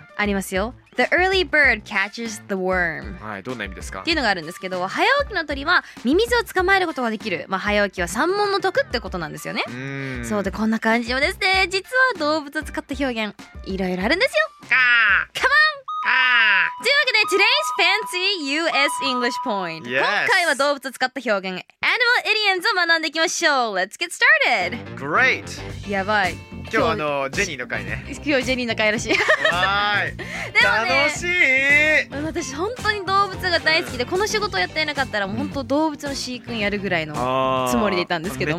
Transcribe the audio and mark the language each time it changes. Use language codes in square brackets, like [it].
[ja] ありますよ。 [en] The early bird catches the worm。 [ja] はい、どんな意味ですかっていうのがあるんですけど、早起きの鳥はミミズを捕まえることができる、まあ、早起きは三文の徳ってことなんですよね。うん、そうで、こんな感じもですね、実は動物を使った表現いろいろあるんですよ。カーカモン。カーというわけで [en] Today's fancy US English point、 yes. [ja] 今回は動物を使った表現 [en] Animal Idioms [ja] を学んでいきましょう。 [en] Let's get started. Great. [ja] やばい、今日あのジェニーの回ね。今日ジェニーの回らしい。はい、楽しい。私本当に動物が大好きで、この仕事をやっていなかったらもう本当動物の飼育員やるぐらいのつもりでいたんですけども、